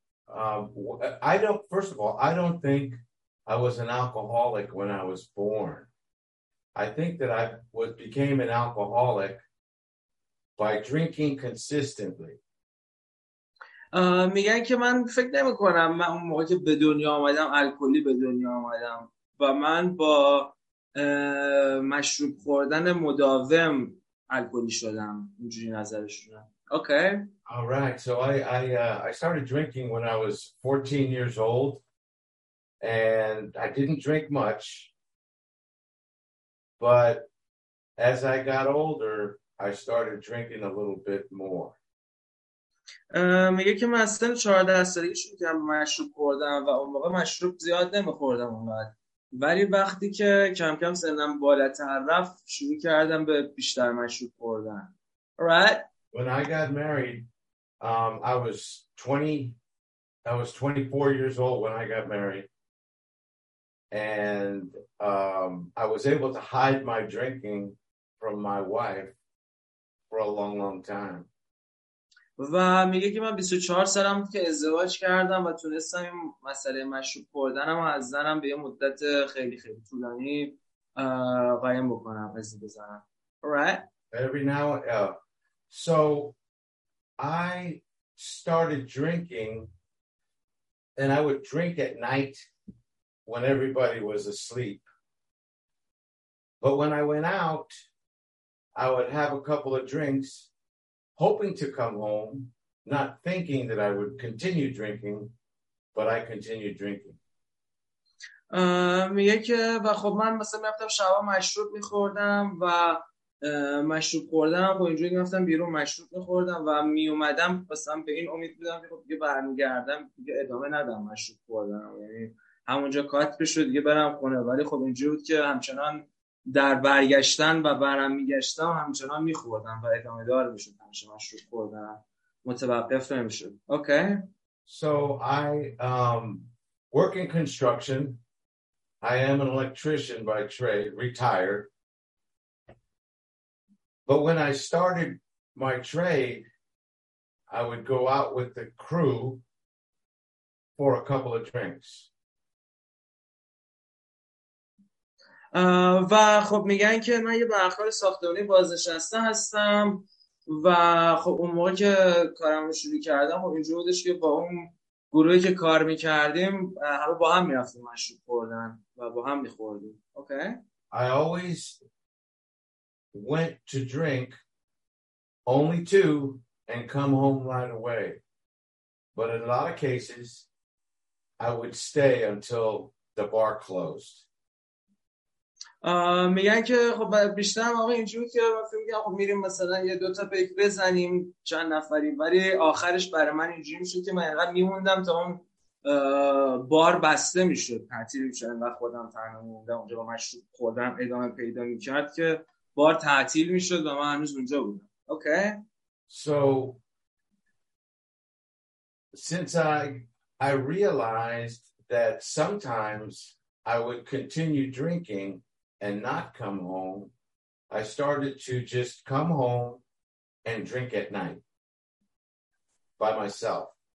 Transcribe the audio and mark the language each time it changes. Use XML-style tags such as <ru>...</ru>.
<en>I don't think I was an alcoholic when I was born. I think that I became an alcoholic by drinking consistently.</en> <fa>میگن که من فکر نمی کنم من اون موقع که به دنیا آمدم الکلی به دنیا آمدم و من با مشروب خوردن مداوم الکلی شدم، اینجوری نظرشونه. اوکی. All right.</fa> <en>So I started drinking when I was 14 years old and I didn't drink much. But as I got older, I started drinking a little bit more.</en> <fa>میگه که من از سن 14 سالگی شروع کردم مشروب خوردم و اون موقع مشروب زیاد نمیخوردم اونقدر، ولی وقتی که کم کم سنم بالاتر رفت شروع کردم به بیشتر مشروب خوردن. Alright.</fa> <en>When I got married, I was 24 years old when I got married. And I was able to hide my drinking from my wife for a long, long time.</en> <fa>و میگه که من 24 سالم بود که ازدواج کردم و تونستم این مسئله مشروب خوردنم و از زنم به یه مدت خیلی خیلی طولانی قایم بکنم، حسی بزنم. Alright.</fa> <en>Every now and then. So I started drinking and I would drink at night when everybody was asleep. But when I went out, I would have a couple of drinks hoping to come home, not thinking that I would continue drinking, but I continued drinking.</en> <fa>میگه که و خب من مثلا میرفتم شبا مشروب میخوردم و مشروب خوردم و اینجوری میرفتم بیرون مشروب میخوردم و میومدم مثلا به این امید بودم که خب دیگه برمیگردم، دیگه ادامه ندم مشروب خوردنم، یعنی همونجا کات بشه دیگه برم خونه، ولی خب اینجوری بود که همچنان در برگشتن و برم میگشتم همچنان میخوردم و ادامه دار میشد، همچنان مشروب خوردم، متوقف نمیشد. اوکی.</fa> <en>So I work in construction. I am an electrician by trade, retired. But when I started my trade, I would go out with the crew for a couple of drinks.</en> <fa>و خب میگن که من یه برخوردار ساختمانی بازنشسته هستم و خب اون موقع که کارم رو شروع کردم خب اینجور بودش که با اون گروهی که کار میکردیم همه با هم میرفتیم مشروب خوردن و با هم میخوردیم. اوکی؟</fa> <en>I always went to drink only two and come home right away. But in a lot of cases, I would stay until the bar closed.</en> <fa>میگن که خب بیشتر آقا اینجوری که فکر میگم خب میریم مثلا یه دو تا پیک بزنیم چند نفریم، ولی آخرش برای من اینجوری میشد که من اینقدر میموندم تا اون بار بسته میشد، تعطیل میشد، انقدر خودم تنها موندم اونجا با مشروب خوردم ادامه پیدا میکرد که بار تعطیل میشد و من هنوز اونجا بودم. اوکی؟</fa> <en>So since I realized that sometimes I would continue drinking and not come home, I started to just come home and drink at night by myself.</en>